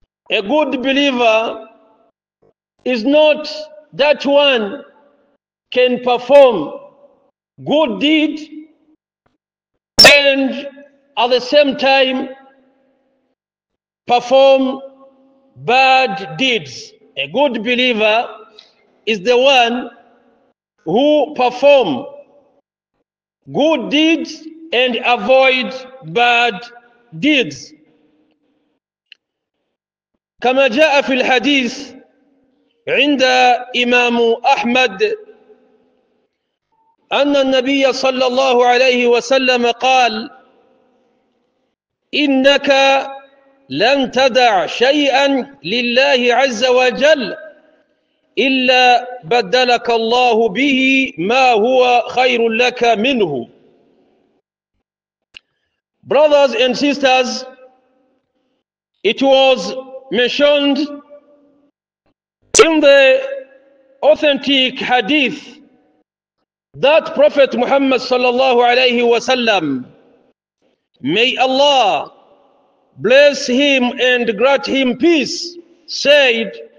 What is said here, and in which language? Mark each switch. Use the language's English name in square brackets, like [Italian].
[English] A good believer is not that one can perform good deed and at the same time perform bad deeds. A good believer is the one who perform good deeds and avoid bad deeds. [Arabic] كما جاء في الحديث عند إمام أحمد أن النبي صلى الله عليه وسلم قال إنك لن تدع شيئا لله عز وجل إلا بدلك الله به ما هو خير لك منه. [English] Brothers and sisters, it was mentioned in the authentic hadith that Prophet Muhammad sallallahu alayhi wa sallam, may Allah bless him and grant him peace, said,